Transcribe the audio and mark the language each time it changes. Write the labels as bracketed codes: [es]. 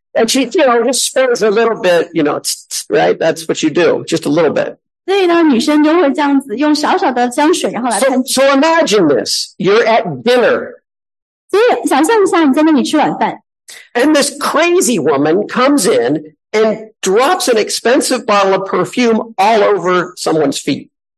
[en] And she, you know, just spends a little bit, you know, right? That's what you do, just a little bit. [zh] 所以呢，女生就会这样子用小小的香水，然后来。 [en] So imagine this. You're at dinner. [zh] 所以想象一下，你在那里吃晚饭。 [en] And this crazy woman comes in and drops an expensive bottle of perfume all over someone's feet.